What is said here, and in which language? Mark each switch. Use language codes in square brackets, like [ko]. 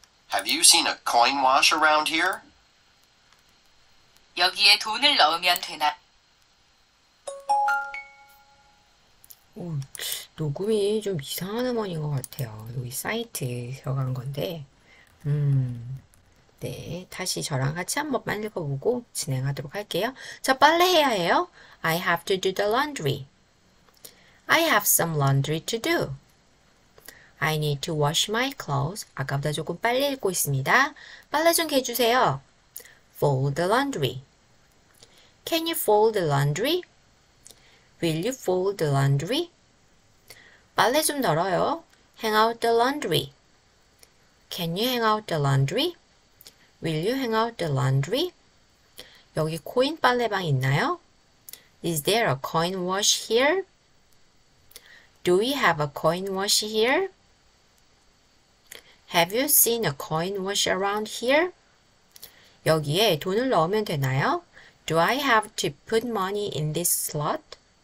[en] Have you seen a coin wash around here? [ko] 여기에 돈을 넣으면 되나? 녹음이 좀 이상한 음원인 것 같아요. 여기 사이트에 들어간 건데. 네, 다시 저랑 같이 한 번만 읽어보고 진행하도록 할게요. 저 빨래해야 해요. [en] I have to do the laundry. I have some laundry to do. I need to wash my clothes. [ko] 아까보다 조금 빨리 읽고 있습니다. 빨래 좀 해주세요. [en] Fold the laundry. Can you fold the laundry? Will you fold the laundry? [ko] 빨래 좀 널어요. [en] Hang out the laundry. Can you hang out the laundry? Will you hang out the laundry? [ko] 여기 코인 빨래방 있나요? [en] Is there a coin wash here? Do we have a coin wash here? Have you seen a coin wash around here? [ko] 여기에 돈을 넣으면 되나요? [en] Do I have to put money in this slot?